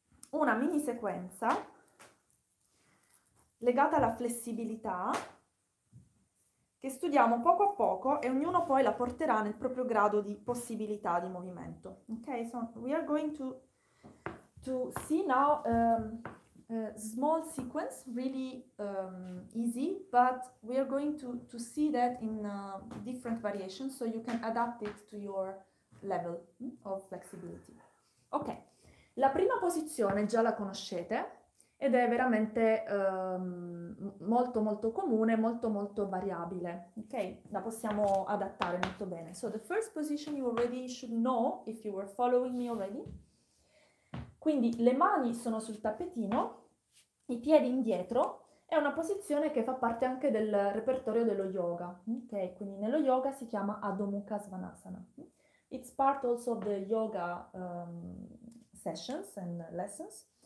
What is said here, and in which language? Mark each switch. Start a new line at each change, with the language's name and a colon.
Italian: una mini sequenza legata alla flessibilità che studiamo poco a poco e ognuno poi la porterà nel proprio grado di possibilità di movimento.
English: Ok, so we are going to see now small sequence, really easy, but we are going to see that in different variations so you can adapt it to your level of flexibility.
Italian: Ok, la prima posizione già la conoscete ed è veramente molto molto comune, molto molto variabile. Ok, la possiamo adattare molto bene.
English: So the first position you already should know if you were following me already.
Italian: Quindi le mani sono sul tappetino, i piedi indietro, è una posizione che fa parte anche del repertorio dello yoga. Ok, quindi nello yoga si chiama Adho Mukha Svanasana.
English: It's part also of the yoga sessions and lessons.